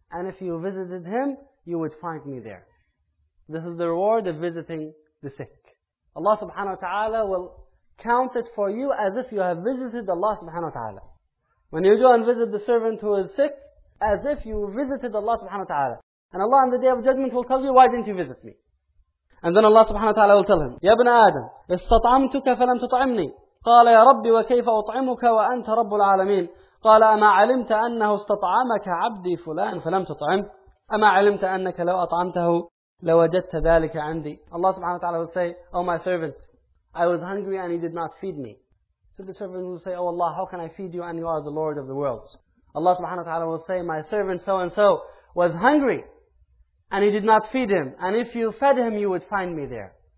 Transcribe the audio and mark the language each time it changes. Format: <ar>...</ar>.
<en>And if you visited him, you would find me there. This is the reward of visiting the sick. Allah subhanahu wa ta'ala will count it for you as if you have visited Allah subhanahu wa ta'ala. When you go and visit the servant who is sick, as if you visited Allah subhanahu wa ta'ala. And Allah on the Day of Judgment will tell you, why didn't you visit me? And then Allah subhanahu wa ta'ala will tell him,</en> <ar>يا ابن آدم استطعمتك فلم تطعمني قال يا ربي وكيف أطعمك وأنت رب العالمين قال أما علمت أنه استطعمك عبدي فلان فلم تطعم أما علمت أنك لو أطعمته لوجدت ذلك عندي.</ar> <en>Allah subhanahu wa ta'ala will say, oh my servant, I was hungry and he did not feed me. So the servant will say, oh Allah, how can I feed you and you are the Lord of the worlds? Allah subhanahu wa ta'ala will say, my servant so and so was hungry and he did not feed him, and if you fed him you would find me there.</en>